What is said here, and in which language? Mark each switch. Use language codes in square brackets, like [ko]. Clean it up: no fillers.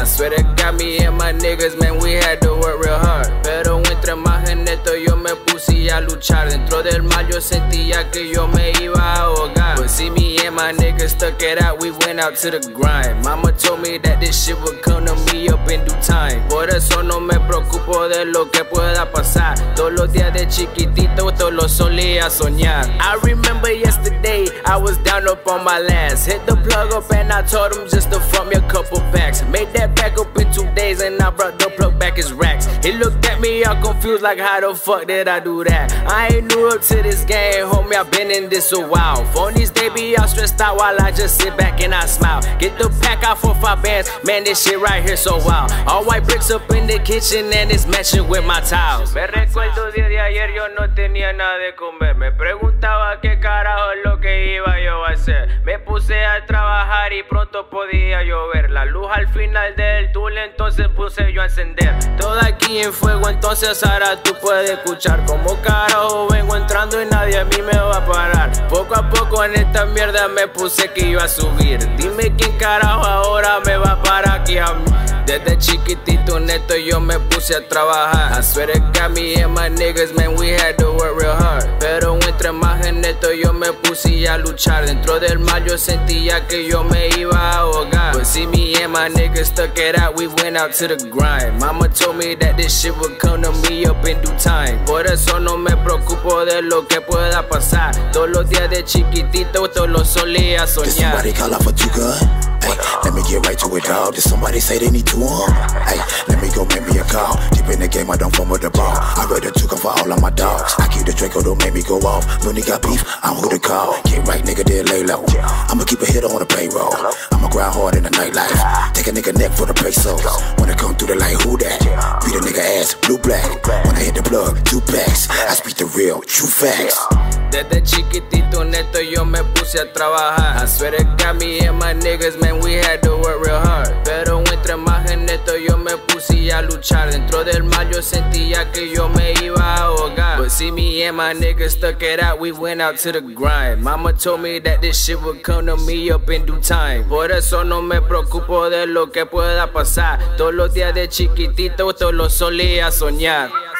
[en] I swear to God, me and my niggas, man, we had to work real hard. [es] Pero entre más en neto, yo me puse a luchar. Dentro del mar, yo sentía que yo me iba a ahogar. [en] But see, me and my niggas stuck it out, we went out to the grind. Mama told me that this shit would come to me up in due time. [es] Por eso no me preocupo de lo que pueda pasar. Todos los días de chiquitito, todo lo solía soñar. [en] I remember yesterday, I was down up on my last. Hit the plug up and I told him just to front me a couple packs. Made that back up in 2 days and I brought the plug back his racks. He looked at me all confused like, how the fuck did I do that? I ain't new up to this game, homie, I've been in this a while. Phonies, they be all stressed out while I just sit back and I smile. Get the pack out for 5 bands, man, this shit right here so wild. All white bricks up in the kitchen and it's matching with my tiles. [es] Me recuerdo día de ayer, yo no tenía nada de comer. Me preguntaba qué carajo lo que iba yo a hacer. Me puse a trabajar y pronto podía llover. La luz al final del túnel, entonces puse yo a encender. Todo aquí en fuego, entonces ahora tú puedes escuchar como carajo vengo entrando y nadie a mí me va a parar. Poco a poco en esta mierda me puse que iba a subir. Dime quién carajo ahora me va a parar aquí a mí. Desde chiquitito, neto, yo me puse a trabajar. [en] I swear to God, me and my niggas, man, we had to work real hard. [es] Pero entre más en neto, yo me puse a luchar. Dentro del mar, yo sentía que yo me iba a ahogar. [en] But see, me and my niggas stuck it out, we went out to the grind. Mama told me that this shit would come to me up in due time. [es] Por eso no me preocupo de lo que pueda pasar. Todos los días de chiquitito, todo lo solía soñar. [en] Did somebody call out for two guns? Hey, let me get right to it, dog. Did somebody say they need to him? Hey, let me go make me a call. Deep in the game, I don't fumble the ball. I ready to come for all of my dogs. I keep the Draco, don't make me go off. Looney got beef, I'm who to call. Get right, nigga, then lay low. I'ma keep a hitter on the payroll. I'ma grind hard in the nightlife. Take a nigga neck for the pesos. When I come through the light, who that? Beat a nigga ass, blue black. When I hit the plug, 2 packs. I speak the real, true facts. [es] Desde chiquitito, neto, yo me puse a trabajar. [en] I swear to God, me and my niggas, man, we had to work real hard. [es] Pero entre más en neto, yo me puse a luchar. Dentro del mar, yo sentía que yo me iba a ahogar. [en] But see, me and my niggas stuck it out, we went out to the grind. Mama told me that this shit would come to me up in due time. [es] Por eso no me preocupo de lo que pueda pasar. Todos los días de chiquitito, todo lo solía soñar.